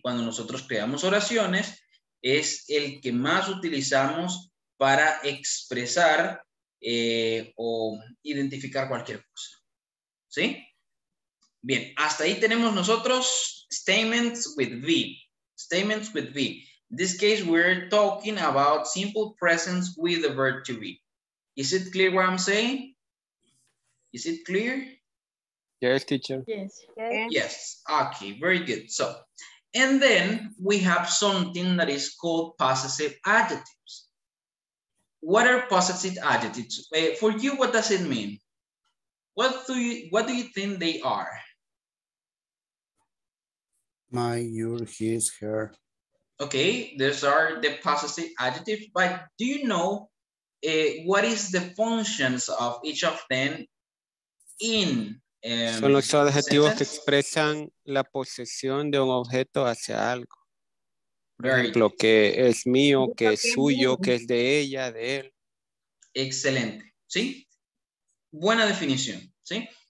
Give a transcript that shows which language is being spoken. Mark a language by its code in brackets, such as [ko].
[es] Cuando nosotros creamos oraciones, es el que más utilizamos para expresar o identificar cualquier cosa, ¿sí? Bien, hasta ahí tenemos nosotros [en] statements with be. Statements with be. In this case, we're talking about simple present with the verb to be. Is it clear what I'm saying? Is it clear? Yes, teacher. Yes. Yes. Okay, very good. So, and then we have something that is called possessive adjectives. What are possessive adjectives? For you, what does it mean? What do you think they are? My, your, his, her. Okay, those are the possessive adjectives, but do you know what is the functions of each of them in [es] Son los adjetivos que expresan la posesión de un objeto hacia algo. Lo que es mío, que es suyo, que es de ella, de él. Excelente, ¿sí? Buena definición, ¿sí?